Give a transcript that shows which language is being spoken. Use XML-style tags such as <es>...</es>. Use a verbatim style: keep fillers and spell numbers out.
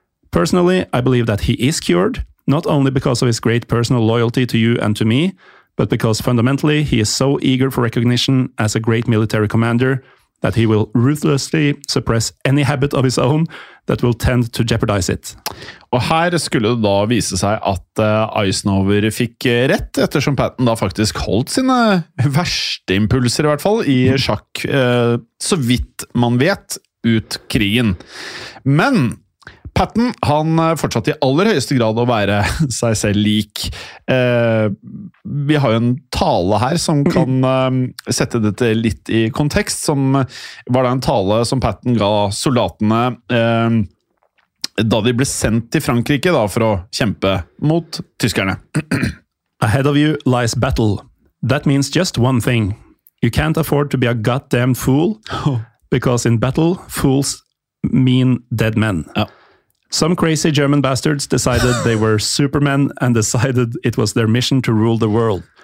<en>Personally, I believe that he is cured, not only because of his great personal loyalty to you and to me, but because fundamentally he is so eager for recognition as a great military commander that he will ruthlessly suppress any habit of his own that will tend to jeopardize it.</en> <no>Og her skulle det da vise seg at Eisenhower fikk rett, ettersom Patton da faktisk holdt sine verste impulser i hvert fall i sjakk, så vidt man vet, ut krigen. Men Patton, han fortsatte i aller høyeste grad å være seg selv lik. Eh, vi har jo en tale her som kan eh, sette dette litt i kontekst, som var da en tale som Patton ga soldatene eh, da de ble sendt til Frankrike da, for å kjempe mot tyskerne.</no> <en>Ahead of you lies battle. That means just one thing. You can't afford to be a goddamn fool, because in battle, fools mean dead men.</en> <no>Ja.</no> <en>Some crazy German bastards decided they were supermen and decided it was their mission to rule the world.</en>